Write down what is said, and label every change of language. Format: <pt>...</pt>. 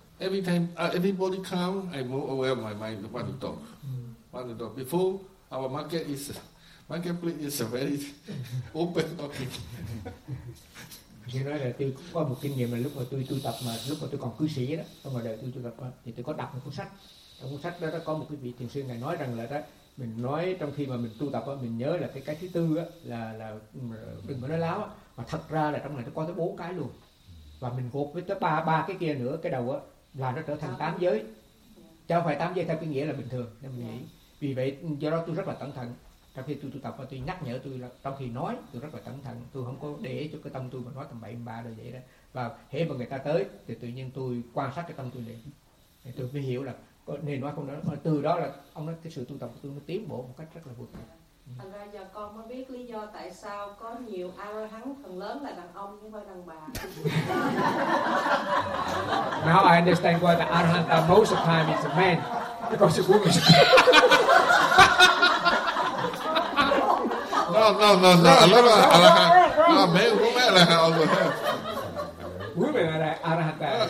<en>Every time everybody come, I'm more aware of my mind. Want to talk. Before our marketplace is a very open talking.</en> <vi>Chị nói là tôi cũng có một kinh nghiệm là lúc mà tôi tập mà lúc mà tôi còn cư sĩ đó, trong đời tôi tập thì tôi có đọc một cuốn sách. Trong cuốn sách đó có một cái vị thiền sư này nói rằng là đó, mình nói trong khi mà mình tu tập á, mình nhớ là cái thứ tư á là đừng có nói láo á, mà thật ra là trong này nó có tới bốn cái luôn, và mình gộp với tới ba cái kia nữa cái đầu á là nó trở thành tám giới, chứ không phải tám giới theo cái nghĩa là bình thường nên mình nghĩ. Vì vậy do đó tôi rất là cẩn thận trong khi tôi tu tập, và tôi nhắc nhở tôi là trong khi nói tôi rất là cẩn thận, tôi không có để cho cái tâm tôi mà nói tầm bậy ba rồi vậy đó, và hễ mà người ta tới thì tự nhiên tôi quan sát cái tâm tôi liền, thì tôi mới hiểu là nên nói không nói. Từ đó là ông nói cái sự tu tập của tôi nó tiến bộ một cách rất là vượt bậc. Thành ra giờ con mới biết lý do tại sao có nhiều A-la-hán phần lớn là đàn ông chứ không phải đàn bà.</vi> <en>Now I understand why the A-la-hán are most of the time is a man because it's woman. No. A lot of A-la-hán. No, men, women A-la-hán also have. Women A-la-hán.</en>